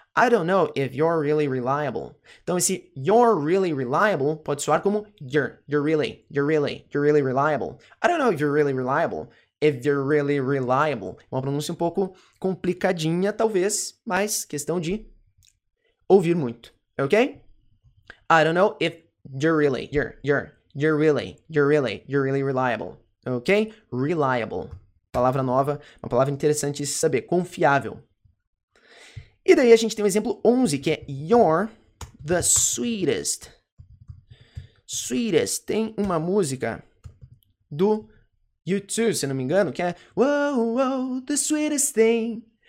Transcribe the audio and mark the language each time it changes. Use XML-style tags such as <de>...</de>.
<en>I don't know if you're really reliable.</en> <pt>Então, esse</pt> <en>you're really reliable pode soar como you're. You're really. You're really. You're really reliable. I don't know if you're really reliable. If you're really reliable.</en> <pt>Uma pronúncia um pouco complicadinha, talvez, mas questão de ouvir muito, ok?</pt> <en>I don't know if you're really, you're really, you're really, you're really reliable, ok?</en> <pt>Reliable, palavra nova, uma palavra interessante de saber, confiável. E daí a gente tem o exemplo 11, que é</pt> <en>you're the sweetest.</en> <pt>Sweetest, tem uma música do YouTube, se não me engano, que é</pt> <en>whoa, whoa, the sweetest thing.</en>